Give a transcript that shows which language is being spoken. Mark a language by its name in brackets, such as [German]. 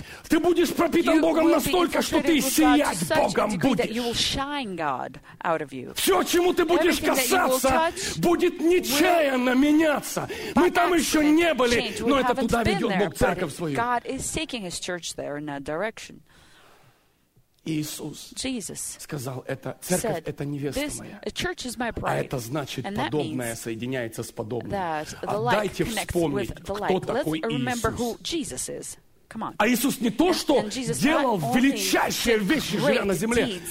[Russian] Ты будешь пропитан Богом настолько, что ты сиять Богом будешь. Все, чему ты будешь касаться, будет нечаянно меняться. Мы там еще не были, но это туда ведет Бог церковь свою. [English] God is taking his church there in that direction. [Russian] Иисус сказал, это церковь — это невеста моя. А это значит, подобное соединяется с подобным. А дайте вспомнить, кто такой Иисус. А Иисус не то, что делал величайшие вещи, живя на земле.